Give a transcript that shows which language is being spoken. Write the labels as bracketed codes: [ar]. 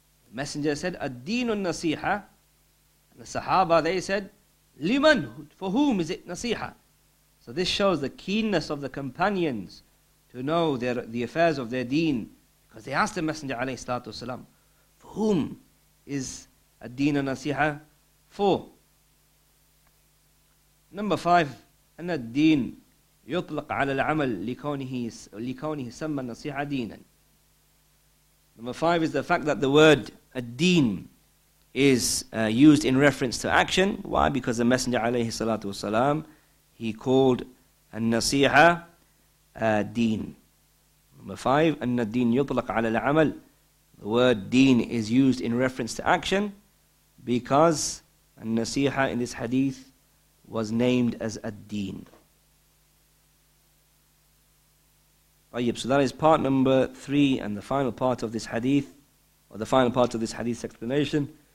[en] The Messenger said, [ar] "Ad-deenu nasiha," [en] and the Sahaba, they said, "Liman, for whom is it nasiha?" So this shows the keenness of the companions to know the affairs of their deen. Because they asked the Messenger, alayhi salatu wasalam, for whom is ad-deenu nasiha for? Number five, [ar] أن الدين يطلق على العمل لكونه سمى النصيحة دينا. [en] Number five is the fact that the word الدين is used in reference to action. Why? Because the Messenger عليه الصلاة والسلام, he called النصيحة دين. Number five, [ar] أن الدين يطلق على العمل. [en] The word دين is used in reference to action because النصيحة in this hadith was named as ad-deen. Tayyib, so that is part number three and the final part of this hadith, or the final part of this hadith's explanation.